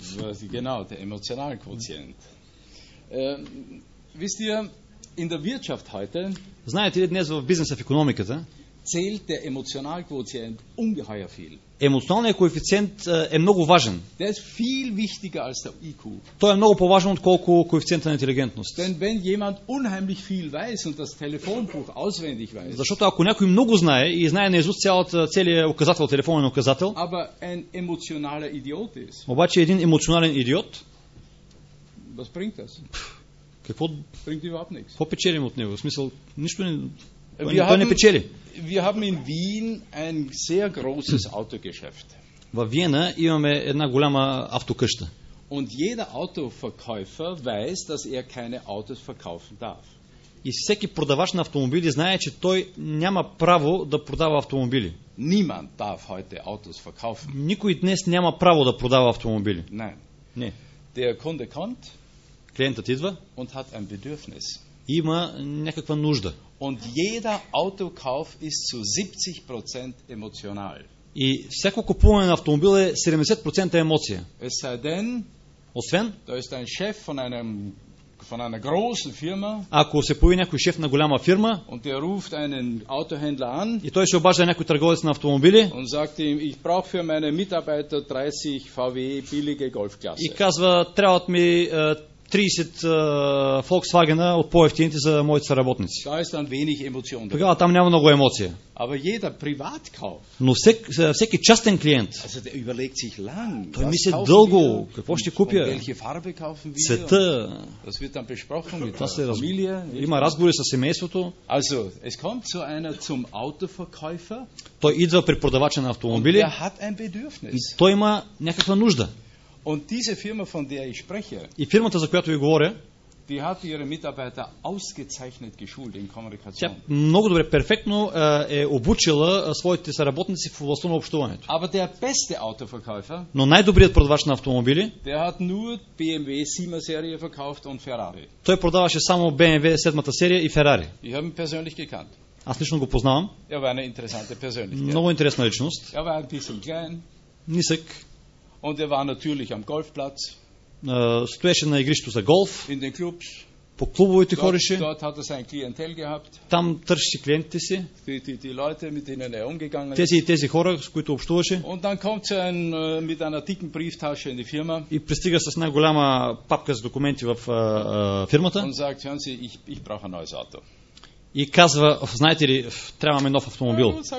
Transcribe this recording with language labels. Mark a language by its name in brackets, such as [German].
[German] Genau, der Emotionalquotient. Wisst ihr, in der Wirtschaft heute, [Bulgarian] знаете ли днес в бизнеса, в икономиката, [German] zählt der Emotionalquotient ungeheuer viel. [Bulgarian] Емоционалният коефициент е много важен. [German] Der ist viel wichtiger als der IQ. [Bulgarian] Той е много по-важен, отколкото коефициента на интелигентност. [German] Denn wenn jemand unheimlich viel weiß und das Telefonbuch auswendig weiß. [Bulgarian] Защото ако някой много знае и знае наизуст целия указател, телефонен указател, [German] aber ein emotionaler Idiot ist. [Bulgarian] Обаче един емоционален идиот. [German] Was bringt das? [Bulgarian] Какво [German] bringt überhaupt nichts. [Bulgarian] Какво печелим от него? В смисъл нищо не. Той не печели. [German] Wir haben in Wien ein sehr großes Autogeschäft. [Bulgarian] Във Виена имаме една голяма автокъща. [German] Und jeder Autoverkäufer weiß, dass er keine Autos verkaufen darf. [Bulgarian] И всеки продавач на автомобили знае, че той няма право да продава автомобили. [German] Niemand darf heute Autos verkaufen. [Bulgarian] Никой днес няма право да продава автомобили. [German] Nein. [Bulgarian] Не. [German] Der Kunde kommt. [Bulgarian] Клиентът идва. [German] Und hat ein Bedürfnis. [Bulgarian] Има някаква нужда. [German] Und jeder Autokauf ist zu 70% emotional. [Bulgarian] И всяко купуване на автомобил е 70% емоция. [German] Es sei denn, [Bulgarian] освен, [German] da ist ein Chef von einer großen Firma. [Bulgarian] Ако се появи някой шеф на голяма фирма, [German] und er ruft einen Autohändler an. [Bulgarian] И той се обажда някой търговец на автомобили. [German] Und sagt ihm, ich brauche für meine Mitarbeiter 30 VW billige Golfklasse. [Bulgarian] И казва, трябват ми 30 Volkswagen-а от по-евтините за моите работници. [German] Da ist dann wenig emotion. [Bulgarian] Тогава там няма много емоция. [German] Aber jeder Privatkauf. [Bulgarian] Но всеки частен клиент. [German] Also der überlegt sich lang. [Bulgarian] Той мисли дълго, какво ще купя? [German] Welche Farbe kaufen wir? [Bulgarian] Цвета. [German] Das wird dann besprochen mit der Familie. [Bulgarian] Има разговори с семейството. [German] Also, es kommt so einer zum Autoverkäufer. [Bulgarian] Той идва при продавача на автомобили. [German] Und er hat ein Bedürfnis. [Bulgarian] И той има някаква нужда. [German] Und diese Firma, von der ich spreche, [Bulgarian] и фирмата, за която ви говоря, [German] Die hat ihre Mitarbeiter ausgezeichnet geschult in Kommunikation. [Bulgarian] Тя много добре, перфектно е обучила своите работници в областта на общуването. [German] Aber der beste Autoverkäufer, [Bulgarian] но най-добрият продавач на автомобили, [German] der hat nur BMW 7 Serie verkauft und Ferrari. [Bulgarian] Той продаваше само BMW 7-та серия и Ferrari. [German] Ich habe ihn persönlich gekannt. [Bulgarian] Аз лично го познавам. [German] Er war eine interessante Persönlichkeit. [Bulgarian] Много интересна личност. [German] Er war ein bisschen klein. [Bulgarian] Нисък. [German] Und er war natürlich am Golfplatz. [Bulgarian] Стоеше на игрището за голф. [German] In den clubs. [Bulgarian] По клубовете хореше. [German] Dort hat er sein Klientel gehabt. [Bulgarian] Там търсеше клиентите си. [German] Die Leute, mit denen er umgegangen ist. [Bulgarian] Тези хора, с които общуваше. [German] Und dann kommt er mit einer dicken Brieftasche in die Firma. [Bulgarian] И пристига с най-голяма папка с документи в фирмата. [German] Und sagt, hören Sie, ich brauche ein neues Auto. [Bulgarian] И казва, знаете ли, трябваме нов автомобил.